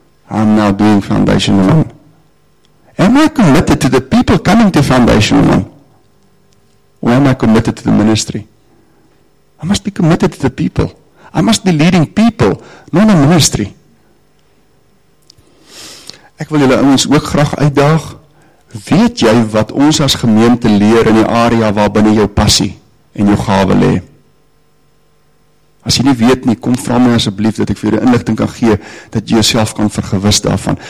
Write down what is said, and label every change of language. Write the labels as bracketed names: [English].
[English] I'm now doing Foundation 1. Am I committed to the people coming to Foundation 1? Or am I committed to the ministry? I must be committed to the people. I must be leading people, not a ministry. [Afrikaans] Ek wil julle ouens ook graag uitdaag. Weet jy wat ons as gemeente leer in die area waar binne jou passie en jou gawe lê? As jy nie weet nie, kom vra my asseblief dat ek vir jou inligting kan gee, dat jy jouself kan vergewis daarvan.